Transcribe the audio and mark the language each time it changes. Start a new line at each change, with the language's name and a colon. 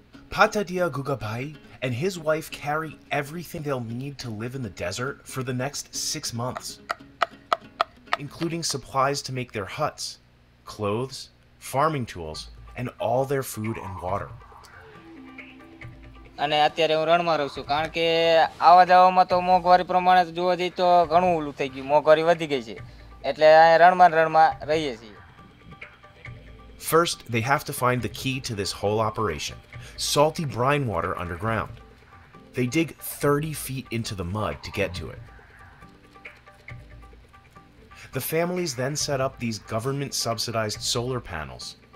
English: Patadia Gugabai and his wife carry everything they'll need to live in the desert for the next 6 months, including supplies to make their huts, clothes, farming tools, and all their food and water.
Gujarati: અને અત્યારે હું રણમાં રહું છું કારણ કે આવા જવામાં તો મોંઘવારી પ્રમાણે જોવા જઈએ તો ઘણું ઊલું થઈ ગયું મોંઘવારી વધી ગઈ છે એટલે રણમાં રણમાં રહીએ છીએ
English: First, they have to find the key to this whole operation, salty brine water underground. They dig 30 feet into the mud to get to it. The families then set up these government-subsidized solar panels.